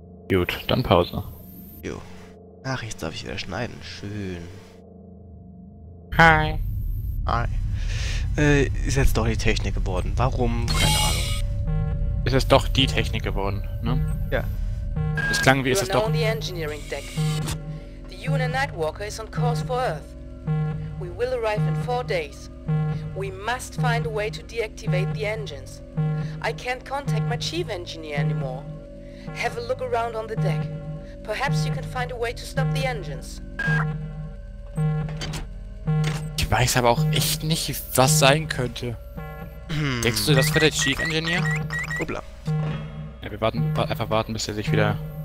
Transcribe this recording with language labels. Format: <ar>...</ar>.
<de>Gut, dann Pause. Jo. Ach, jetzt darf ich wieder schneiden. Schön. Hi. Hi. Ist jetzt doch die Technik geworden. Warum? Keine Ahnung. Ist es doch die Technik geworden, ne? Ja. Es klang wie, ist es doch... Engineering-Deck.</de> <en>Yuna Nightwalker is on course for Earth. We will arrive in 4 days. We must find a way to deactivate the engines. I can't contact my chief engineer anymore. Have a look around on the deck. Perhaps you can find a way to stop the engines.</en> <de>Ich weiß aber auch echt nicht, was sein könnte. Denkst du, das wird der Chief Engineer? Hoppla. Ja, wir warten, einfach warten, bis er sich wieder...</de>